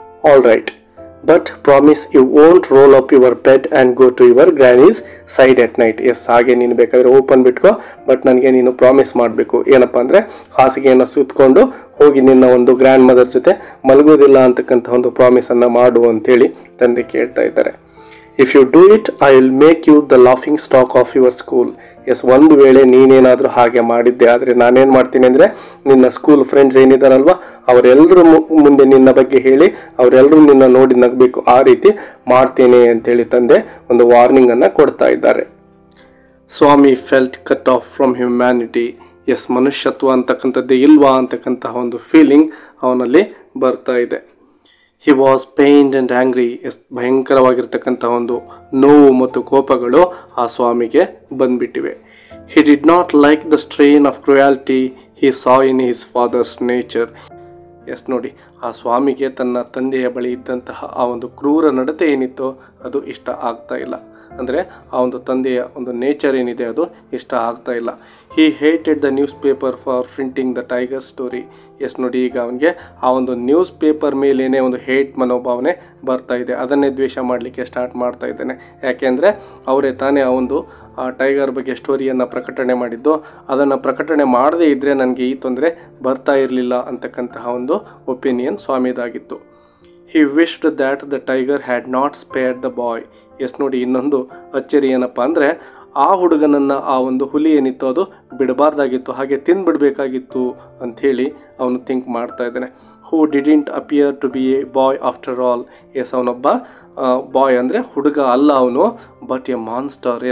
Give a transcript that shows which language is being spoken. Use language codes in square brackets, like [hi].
[en] All right, but promise you won't roll up your bed and go to your granny's side at night. [kn] S, ಹಾಗೆ ನೀನು ಬೇಕಾದರೆ open ಬಿಟ್ಕೋ, but ನನಗೆ ನೀನು promise ಮಾಡಬೇಕು. ಏನಪ್ಪ ಅಂದರೆ, ಹಾಸಿಗೆಯನ್ನು ಸುತ್ತಕೊಂಡು ಹೋಗಿ ನಿನ್ನ ಒಂದು ಗ್ರ್ಯಾಂಡ್ ಮದರ್ ಜೊತೆ ಮಲಗೋದಿಲ್ಲ ಅಂತಕ್ಕಂಥ ಒಂದು ಪ್ರಾಮಿಸನ್ನು ಮಾಡು ಅಂಥೇಳಿ ತಂದೆ ಕೇಳ್ತಾ ಇದ್ದಾರೆ. [en] If you do it, I will make you the laughing stock of your school. [kn] Yes, ಒಂದು ವೇಳೆ ನೀನೇನಾದರೂ ಹಾಗೆ ಮಾಡಿದ್ದೆ ಆದರೆ ನಾನೇನು ಮಾಡ್ತೀನಿ ಅಂದರೆ, ನಿನ್ನ ಸ್ಕೂಲ್ ಫ್ರೆಂಡ್ಸ್ ಏನಿದ್ದಾರಲ್ವ, ಅವರೆಲ್ಲರೂ ಮುಂದೆ ನಿನ್ನ ಬಗ್ಗೆ ಹೇಳಿ ಅವರೆಲ್ಲರೂ ನಿನ್ನ ನೋಡಿ ನಗಬೇಕು, ಆ ರೀತಿ ಮಾಡ್ತೇನೆ ಅಂತೇಳಿ ತಂದೆ ಒಂದು ವಾರ್ನಿಂಗನ್ನು ಕೊಡ್ತಾ ಇದ್ದಾರೆ. [en] Swami felt cut off from humanity. [kn] S, ಮನುಷ್ಯತ್ವ ಅಂತಕ್ಕಂಥದ್ದೇ ಇಲ್ವಾ ಅಂತಕ್ಕಂತಹ ಒಂದು ಫೀಲಿಂಗ್ ಅವನಲ್ಲಿ ಬರ್ತಾ ಇದೆ. [en] He was pained and angry. [kn] S, ಭಯಂಕರವಾಗಿರ್ತಕ್ಕಂಥ ಒಂದು ನೋವು ಮತ್ತು ಕೋಪಗಳು ಆ ಸ್ವಾಮಿಗೆ ಬಂದ್ಬಿಟ್ಟಿವೆ. [en] He did not like the strain of cruelty he saw in his father's nature. [kn] S ನೋಡಿ, ಆ ಸ್ವಾಮಿಗೆ ತನ್ನ ತಂದೆಯ ಬಳಿ ಇದ್ದಂತಹ ಆ ಒಂದು ಕ್ರೂರ ನಡತೆ ಏನಿತ್ತೋ ಅದು ಇಷ್ಟ ಆಗ್ತಾ ಇಲ್ಲ. ಅಂದರೆ ಆ ಒಂದು ತಂದೆಯ ಒಂದು ನೇಚರ್ ಏನಿದೆ ಅದು ಇಷ್ಟ ಆಗ್ತಾ ಇಲ್ಲ. [en] He hated the newspaper for printing the tiger story. [kn] S ನೋಡಿ, ಈಗ ಅವನಿಗೆ ಆ ಒಂದು ನ್ಯೂಸ್ ಪೇಪರ್ ಮೇಲೇ ಒಂದು ಹೇಟ್ ಮನೋಭಾವನೆ ಬರ್ತಾ ಇದೆ, ಅದನ್ನೇ ದ್ವೇಷ ಮಾಡಲಿಕ್ಕೆ ಸ್ಟಾರ್ಟ್ ಮಾಡ್ತಾ ಇದ್ದಾನೆ. ಯಾಕೆಂದರೆ ಅವರೇ ತಾನೇ ಆ ಒಂದು ಆ ಟೈಗರ್ ಬಗ್ಗೆ ಸ್ಟೋರಿಯನ್ನು ಪ್ರಕಟಣೆ ಮಾಡಿದ್ದು, ಅದನ್ನು ಪ್ರಕಟಣೆ ಮಾಡದೇ ಇದ್ದರೆ ನನಗೆ ಈ ತೊಂದರೆ ಬರ್ತಾ ಇರಲಿಲ್ಲ ಅಂತಕ್ಕಂತಹ ಒಂದು opinion ಸ್ವಾಮಿದಾಗಿತ್ತು. [en] He wished that the tiger had not spared the boy. [kn] S ನೋಡಿ, ಇನ್ನೊಂದು ಅಚ್ಚರಿ ಏನಪ್ಪ ಅಂದರೆ, ಆ ಹುಡುಗನನ್ನು ಆ ಒಂದು ಹುಲಿ ಏನಿತ್ತು ಅದು ಬಿಡಬಾರ್ದಾಗಿತ್ತು, ಹಾಗೆ ತಿನ್ಬಿಡಬೇಕಾಗಿತ್ತು ಅಂಥೇಳಿ ಅವನು ಥಿಂಕ್ ಮಾಡ್ತಾ ಇದ್ದಾನೆ. [en] Who didn't appear to be a boy after all. Yes, [kn] ಅವನೊಬ್ಬ ಬಾಯ್ ಅಂದರೆ ಹುಡುಗ ಅಲ್ಲ ಅವನು, [en] But a monster.